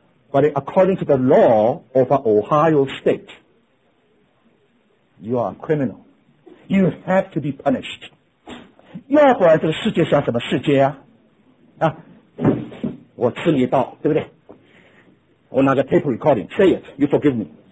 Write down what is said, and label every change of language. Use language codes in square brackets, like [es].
[en] But according to the law of Ohio State, you are a criminal. You have to be punished. [zh] 要不然这个世界像什么世界啊？啊，我刺你一刀，对不对？我拿个 [en] tape recording, say it, you forgive me.